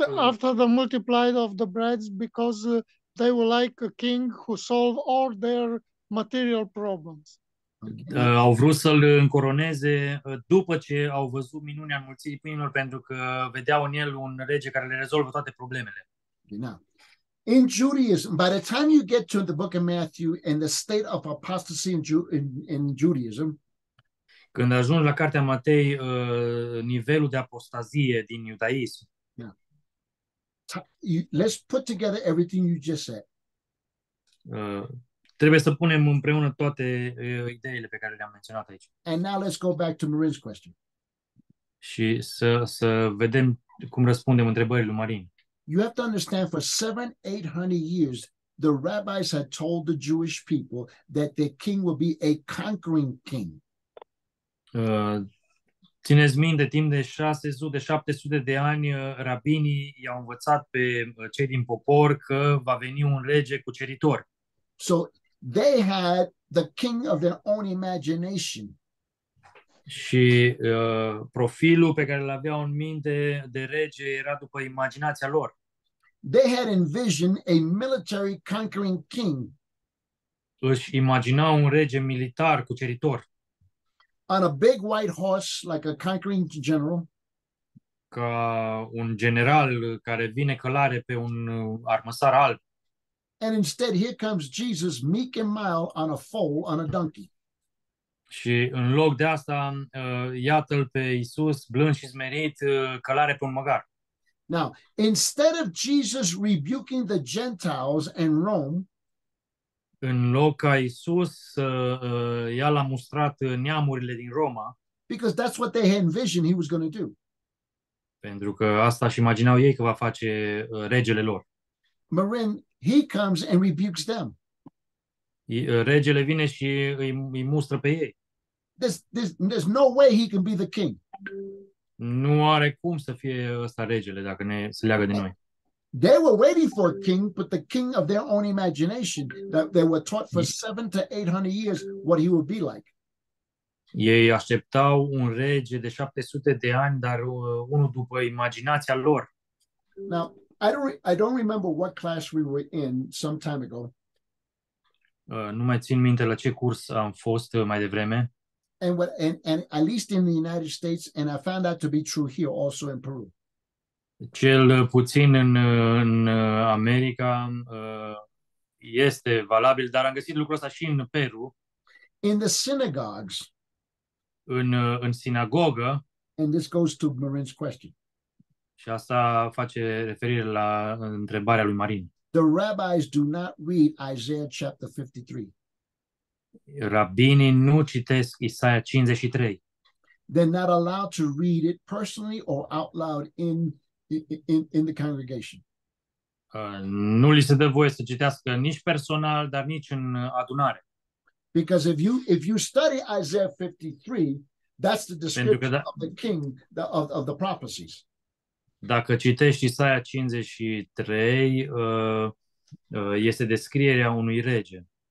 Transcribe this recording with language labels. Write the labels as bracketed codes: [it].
[en] After the multiplied of the breads, because they were like a king who solved all their material problems. [ro] Au vrut să-l încoroneze după ce au văzut minunea înmulțirii pâinilor, pentru că vedeau în el un rege care le rezolvă toate problemele. [en] Now, in Judaism, by the time you get to the book of Matthew and the state of apostasy in Judaism, [ro] când ajungi la cartea Matei, nivelul de apostazie din iudaism, [en] let's put together everything you just said. [ro] Trebuie să punem împreună toate ideile pe care le-am menționat aici. [en] And now let's go back to Marin's question. [ro] Și să vedem cum răspundem întrebările lui Marin. [en] You have to understand, for 700-800 years, the rabbis had told the Jewish people that their king would be a conquering king. [ro] Țineți minte, timp de 600-700 de ani, rabinii i-au învățat pe cei din popor că va veni un rege cuceritor. [en] So they had the king of their own imagination. [ro] Și profilul pe care l-aveau în minte de rege era după imaginația lor. [en] They had envisioned a military conquering king. [ro] Își imaginau un rege militar cuceritor. [en] On a big white horse, like a conquering general. [ro] Ca un general care vine călare pe un armăsar alb. [en] And instead, here comes Jesus, meek and mild, on a foal, on a donkey. [ro] Și în loc de asta, iată-l pe Iisus, blând și smerit, călare pe un măgar. [en] Now, instead of Jesus rebuking the Gentiles and Rome, [ro] în loc ca Iisus i-a lamustrat neamurile din Roma, [en] because that's what they envisioned he was going to do. [ro] Pentru că asta și imaginau ei că va face regele lor. [en] Marin, he comes and rebukes them. [ro] Regele vine și îi mustră pe ei. [en] There's no way he can be the king. [ro] Nu are cum să fie ăsta regele dacă ne se leagă de noi. [en] They were waiting for a king, but the king of their own imagination, that they were taught for 700-800 years what he would be like. [ro] Ei așteptau un rege de 700 de ani, dar unul după imaginația lor. [en] Now, I don't remember what class we were in some time ago. [ro] Nu mai țin minte la ce curs am fost mai devreme. [en] And at least in the United States, and I found that to be true here also in Peru. [ro] Cel puțin în America este valabil, dar am găsit lucrul ăsta și în Peru. [en] In the synagogues. [ro] În sinagogă. [en] And this goes to Marin's question. [ro] Și asta face referire la întrebarea lui Marin. [en] The rabbis do not read Isaiah chapter 53. [ro] Rabinii nu citesc Isaia 53. [en] They're not allowed to read it personally or out loud in the congregation. [ro] Nu li se dă voie să citească nici personal, dar nici în adunare. [en] Because if you study Isaiah 53, that's the description of the king, of the prophecies. [ro] Dacă citești Isaia 53, este descrierea unui rege.